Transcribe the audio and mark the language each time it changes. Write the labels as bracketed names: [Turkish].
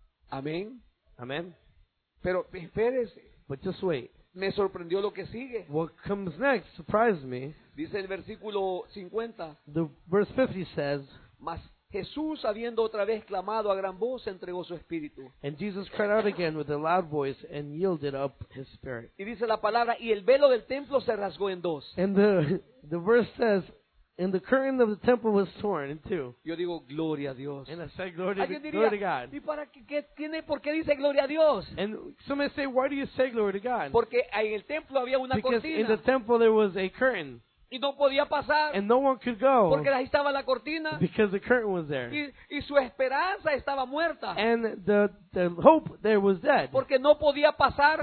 [Spanish] Amén. [English] Amen. [Spanish] Pero espérese. [English] But just wait. [Spanish] Me sorprendió lo que sigue. [English] What comes next surprised me. [Spanish] Dice el versículo 50. [English] The verse 50 says. [Spanish] Mas Jesús, habiendo otra vez clamado a gran voz, entregó su espíritu. [English] And Jesus cried out again with a loud voice and yielded up his spirit. [Spanish] Y dice la palabra, y el velo del templo se rasgó en dos. [English] And the verse says. And the curtain of the temple was torn in two. [Spanish] Yo digo, gloria a Dios. [English] And I said, glory, [Spanish] diría, [English] glory to God. [Spanish] ¿Y para qué tiene, por qué dice gloria a Dios? [English] And some may say, why do you say glory to God? [Spanish] Porque en el templo había una [English] Because [Spanish] cortina. [English] In the temple there was a curtain. [Spanish] Y no podía pasar. [English] And no one could go. [Spanish] Porque ahí estaba la cortina. [English] Because the curtain was there. [Spanish] Y su esperanza estaba muerta. [English] And the hope there was dead. [Spanish] Porque no podía pasar.